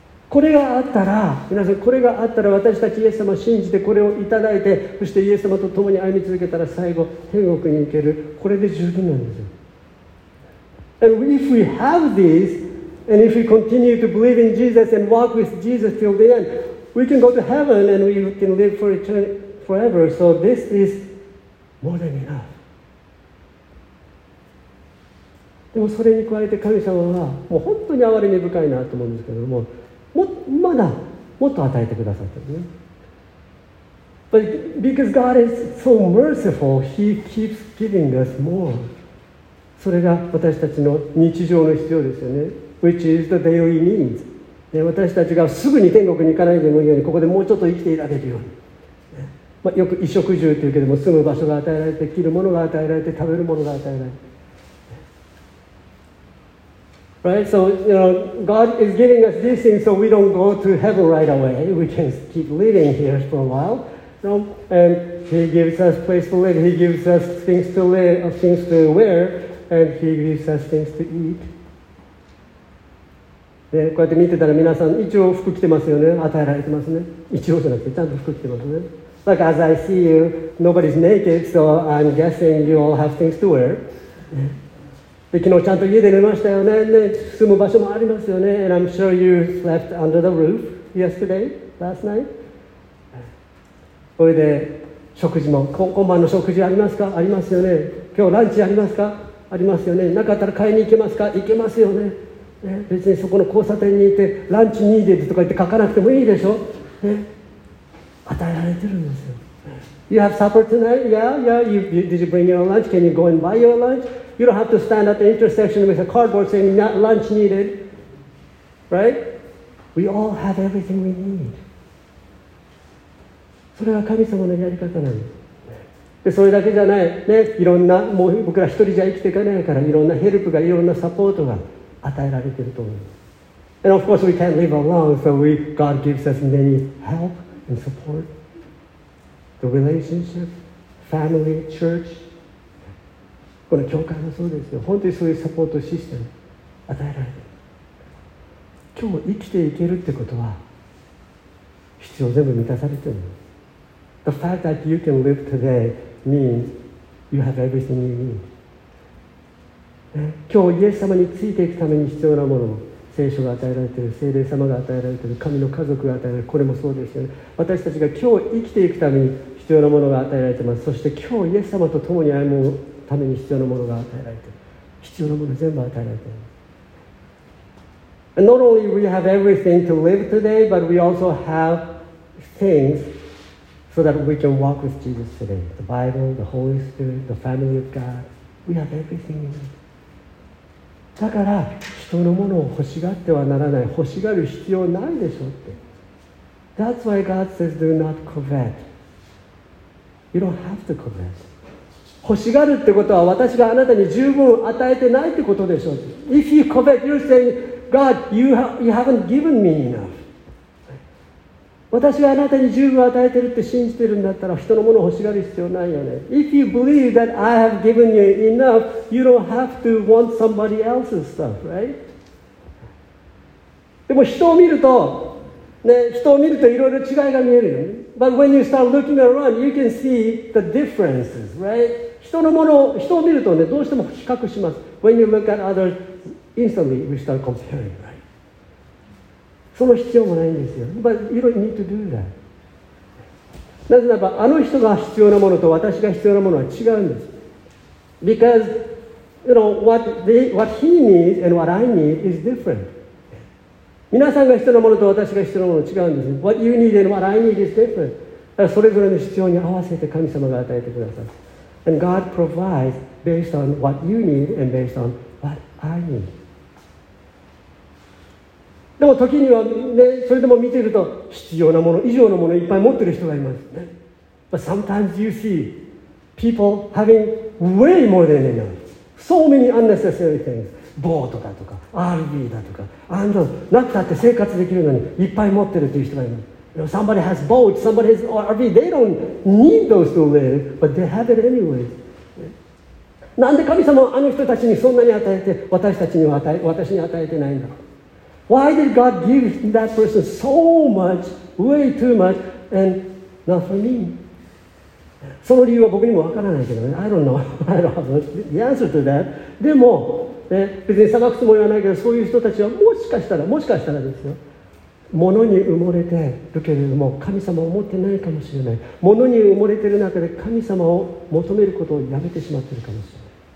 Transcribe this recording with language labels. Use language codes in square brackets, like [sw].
[ja] これがあったら、皆さんこれがあったら私たちイエス様を信じてこれをいただいて、そしてイエス様と共に歩み続けたら最後、天国に行ける。これで十分なんですよ。 [en] And if we have this, and if we continue to believe in Jesus and walk with Jesus till the end, we can go to heaven and we can live for eternity, forever. So this is more than enough. [ja] でもそれに加えて神様はもう本当に哀れみ深いなと思うんですけども、まだもっと与えてくださってるね。 [en] But because God is so merciful, He keeps giving us more. [ja] それが私たちの日常の必要ですよね [en] Which is the daily needs、 [ja] ね、私たちがすぐに天国に行かないでもいいようにここでもうちょっと生きていられるように、ねまあ、よく衣食住というけども住む場所が与えられて着るものが与えられて食べるものが与えられて、 [en] ね、Right, so you know, God is giving us these things so we don't go to heaven right away We can keep living here for a while So, and He gives us place to live He gives us things to live, things to wearAnd he gives us things to eat. [ja] でこうやって見てたら皆さん一応服着てますよね与えられてますね一応じゃなくてちゃんと服着てますね [en] Like as I see you, nobody's naked So I'm guessing you all have things to wear [ja] で昨日ちゃんと家で寝ましたよね、ね、住む場所もありますよね [en] And I'm sure you slept under the roof yesterday, last night [ja] それで食事も今晩の食事ありますかありますよね今日ランチありますかありますよね。なかったら買いに行けますか？行けますよね。ね、別にそこの交差点にいて [en] ランチニーデッド [ja] とか言って書かなくてもいいでしょ、ね、与えられてるんですよ。 [en] You have supper tonight? Yeah, yeah. You, did you bring your lunch? Can you go and buy your lunch? You don't have to stand at the intersection with a cardboard saying not lunch needed. Right? We all have everything we need. [ja] それは神様のやり方なんです。でそれだけじゃない、ね、いろんなもう僕ら一人じゃ生きていかないからいろんなヘルプがいろんなサポートが与えられていると思います [en] And of course we can't live alone so we, God gives us many help and support the relationship, family, church [ja] この教会もそうですよ本当にそういうサポートシステム与えられている今日生きていけるってことは必要全部満たされているの [en] The fact that you can live todayMeans you have everything you need. [ja] 今日イエス様についていくために必要なものを聖書が与えられている聖霊様が与えられている神の家族が与えられているこれもそうですよね私たちが今日生きていくために必要なものが与えられていますそして今日イエス様と共に歩むために必要なものが与えられている必要なもの全部与えられている [en] And not only we have everything to live today but we also have thingsSo that we can walk with Jesus today. The Bible, the Holy Spirit, the family of God. We have everything we need. [ja] だから人のものを欲しがってはならない。欲しがる必要ないでしょって。 [en] That's why God says, do not covet. You don't have to covet. [ja] 欲しがるってことは私があなたに十分与えてないってことでしょう。 [en] If you covet, you're saying, God, you haven't given me enough. [ja] 私があなたに十分与えてるって信じてるんだったら人のものを欲しがる必要ないよね。 [en] If you believe that I have given you enough, you don't have to want somebody else's stuff, right? [ja] でも人を見ると、ね、人を見るといろいろ違いが見えるよ、ね。 [en] But when you start looking around, you can see the differences, right? [ja] 人のものを、人を見るとね、どうしても比較します。 [en] When you look at others, instantly we start comparing, right? [ja] その必要もないんですよ。 [en] But you don't need to do that. [ja] なぜならば、あの人が必要なものと私が必要なものは違うんです。 [en] Because, you know, what he needs and what I need is different. [ja] 皆さんが必要なものと私が必要なものは違うんです。 [en] What you need and what I need is different. [ja] だからそれぞれの必要に合わせて神様が与えてくださる。 [en] And God provides based on what you need and based on what I need. [ja] でも時にはね、それでも見ていると必要なもの以上のものをいっぱい持っている人がいます。 [en] But sometimes you see people having way more than enough. So many unnecessary things. [ja] ボートだとか RV だとかアンドなくたって生活できるのにいっぱい持ってるという人がいます。 [en] You know, somebody has boat, somebody has RV. They don't need those to live, but they have it anyway. [ja] なんで神様はあの人たちにそんなに与えて私たちには私に与えてないんだ。 [en] Why did God give that person so much, way too much, and not for me? [ja] その理由は僕にもわからないけどね。 [en] I don't know. I don't have the answer to that. [ja] でもね、別に裁くつもりはないけどそういう人たちはもしかしたらですよ、物に埋もれてるけれども神様を持ってないかもしれない。物に埋もれてる中で神様を求めることをやめてしまってるかもしれない。